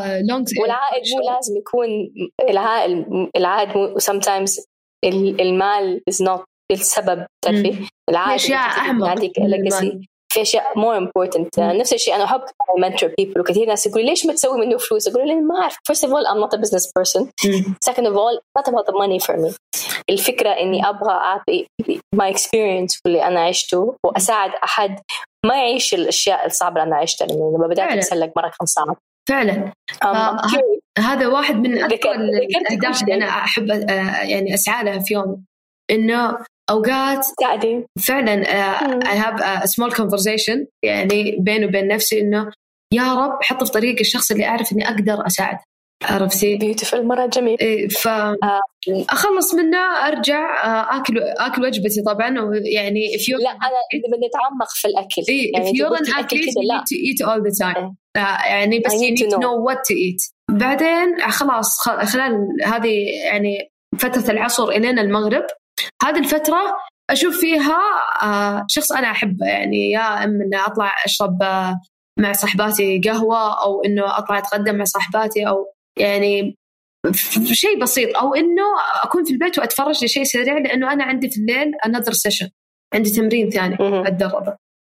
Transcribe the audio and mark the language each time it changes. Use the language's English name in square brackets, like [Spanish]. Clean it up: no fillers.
[Arabic] لونج والعائد مو لازم يكون العائد مو sometimes المال [English] is not [Arabic] السبب تعرفي العائد اشياء اهم عندك legacy في اشياء [English] more important. [Arabic] نفس الشيء انا احب [English] mentor people [Arabic] وكثير ناس يقولي ليش ما تسوي منه فلوس, اقول لهم ما اعرف. [English] first of all I'm not a business person, second of all not about the money for me. [Arabic] الفكره اني ابغى اعطي [English] my experience [Arabic] واللي انا عشته واساعد احد ما يعيش الاشياء الصعبه اللي انا عشتها لما بدات اتسلق مره كان صعب فعلا. هذا واحد من الاهداف اللي انا احب يعني اسعى لها في يوم انه أوقات فعلاً [English] I have a small conversation [Arabic] يعني بين وبين نفسي إنه يا رب حط في طريق الشخص اللي أعرف إني أقدر أساعد. عرفتي beautiful مرة جميل. فأخلص منه أرجع أكل وجبتي طبعاً. ويعني [English] if you [Arabic] لا أنا إذا بدي أتعمق في الأكل [English] يعني if you're an athlete you need to eat all the time [Arabic] يعني بس [English] you need to know what to eat. [Arabic] بعدين خلاص خلال هذه يعني فترة العصر إلينا المغرب, هذه الفترة أشوف فيها شخص أنا أحبه, يعني يا أما أن أطلع أشرب مع صحباتي قهوة أو أنه أطلع أتقدم مع صحباتي أو يعني شيء بسيط, أو أنه أكون في البيت وأتفرج لشيء سريع لأنه أنا عندي في الليل [English] another session, [Arabic] عندي تمرين ثاني أتدرب.